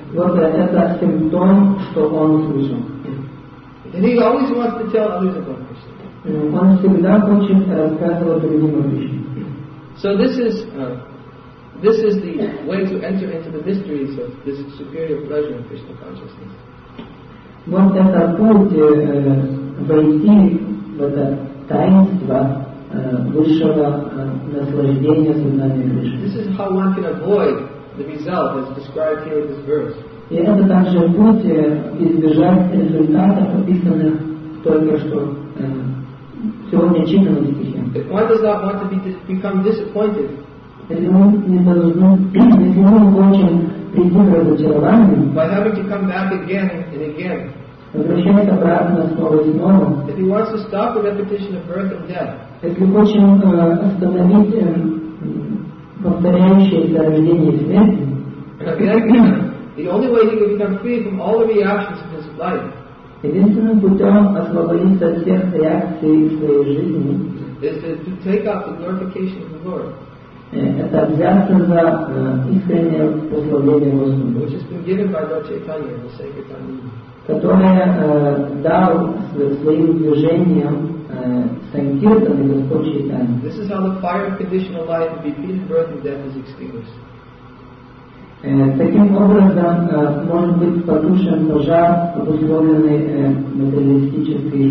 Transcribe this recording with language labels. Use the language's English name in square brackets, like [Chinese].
[Russian] Вот это симптом, что он слышал. [English] And he always wants to tell others about Krishna. [Russian] Он всегда хочет рассказывать другим о Кришне. [English] So this is the way to enter into the mysteries of this superior pleasure in Krishna consciousness. [Russian] Вот это путь войти в это таинство высшего наслаждения сознания Кришны. [English] This is how one can avoid the result as described here in this verse. [Russian] И это также путь избежать результатов, описанных только что сегодня читанным стихом. [English] If one does not want to become disappointed, [Russian] если мы хотим прийти к разочарованию, [English] by having to come back again and again, [Russian] возвращаясь обратно снова и снова, [English] if he wants to stop the repetition of birth and death, [Russian] если хочем остановить повторяющееся рождение и смерть, [English] the only way he can become free from all the reactions of his life, [Russian] единственным путем освободиться от всех реакций своей жизни, [English] is to take up the glorification of the Lord. [Russian] Это взято за искреннее прославление Господа, которое дал своим движением Санкиртаны Господь Чайтанья. This is how the fire of conditional life, repeated birth and death, is extinguished. Таким образом может быть потушен пожар, обусловленный материалистической